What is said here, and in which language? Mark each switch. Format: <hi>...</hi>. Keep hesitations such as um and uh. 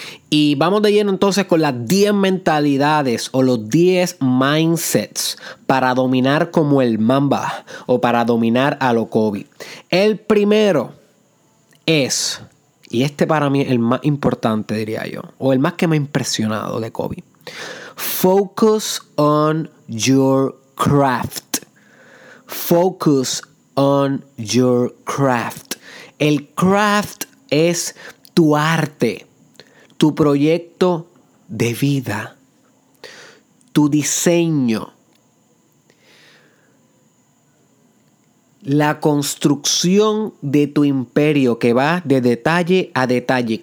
<es>Y vamos de lleno entonces con las 10 mentalidades o los 10 mindsets para dominar como el mamba o para dominar a lo Kobe. El primero es y este para mí es el más importante, diría yo, o el más que me ha impresionado de Kobe.</es> <en>Focus on your craft. Focus on your craft.</en> <es>El craft es tu arte, tu proyecto de vida, tu diseño, la construcción de tu imperio que va de detalle a detalle.</es>